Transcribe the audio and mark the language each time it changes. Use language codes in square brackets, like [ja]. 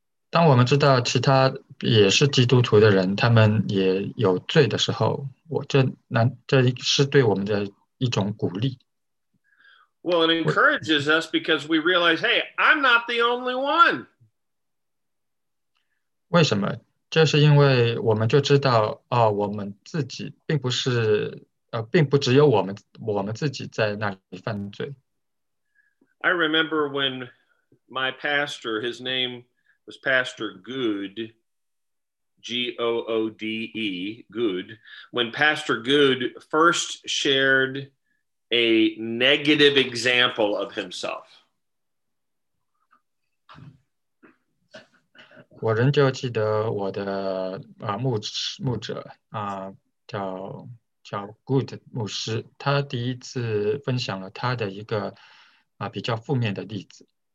[zh] 当我们知道其他也是基督徒的人，他们也有罪的时候，这是对我们的一种鼓励。 [en] Well, it encourages us because we realize, hey, I'm not the only one. [zh] 为什么？这是因为我们就知道，我们自己并不是，并不只有我们自己在那里犯罪。 [en] I remember when my pastor, his name was Pastor Good, G-O-O-D-E, Good. When Pastor Good first shared a negative example of himself. [zh] 我仍旧记得我的牧者叫 Good 牧师，他第一次分享了他的一个比较负面的例子。